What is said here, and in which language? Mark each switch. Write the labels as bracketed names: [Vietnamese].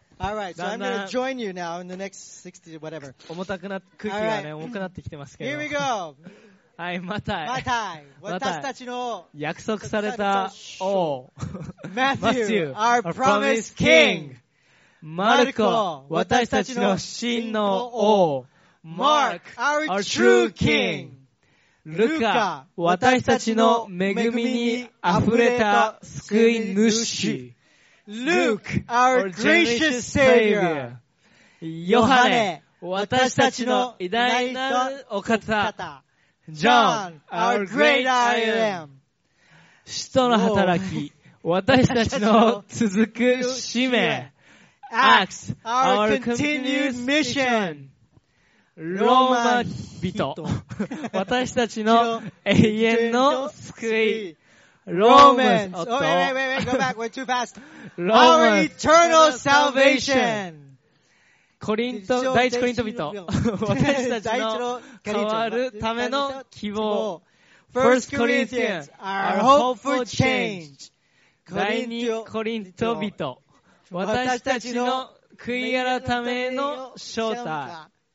[English] All right, so I'm gonna join you now in the next 60 whatever. [Japanese] 重たくな空気がね、重くなってきてますけど。 [English] Here we go. [Japanese] はい、またい。またい。また私たちの約束された王。 [English] Matthew, our promised king. [Japanese] マルコ、私たちの真の王。 [English] マーク、our true king。 [Japanese] ルカ、私たちの恵みに溢れた救い主。 [English] Luke, our gracious Savior. [Japanese] ヨハネ、私たちの偉大なるお方。 [English] John, our great I am. [Japanese] 使徒の働き、私たちの続く使命。 [English] Acts, our continued mission. [Japanese] ローマ人、私たちの永遠の救い。 [English] Romans, oh wait, go back, we're too fast. Our eternal salvation. [Japanese] コリント、第一コリント人。私たちの変わるための希望。 [English] First Corinthians, our hope for change. [Japanese] 第二コリント人。私たちの悔い改めの招待。